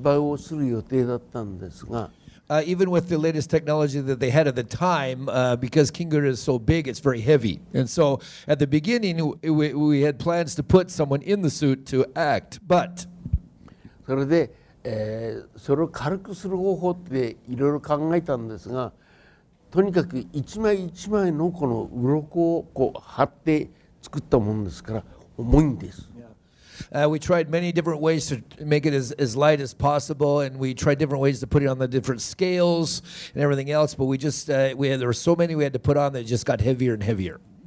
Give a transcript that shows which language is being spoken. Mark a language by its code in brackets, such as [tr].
[ja] それで、あと、キングギドラは非常に重くてですね、最初は人が入って、こう、芝居をする予定だったんですが。 [en] Even with the latest technology that they had at the time, because King Ghidorah is so big, it's very heavy. And so at the beginning, we had plans to put someone in the suit to act, but. [ja] それで、それを軽くする方法っていろいろ考えたんですが、 とにかく一枚一枚のこの鱗をこう貼って作ったものですから重いんです。 [en] We tried many different ways to make it as light as possible, and we tried different ways to put it on the different scales and everything else, but there were so many we had to put on that it just got heavier and heavier.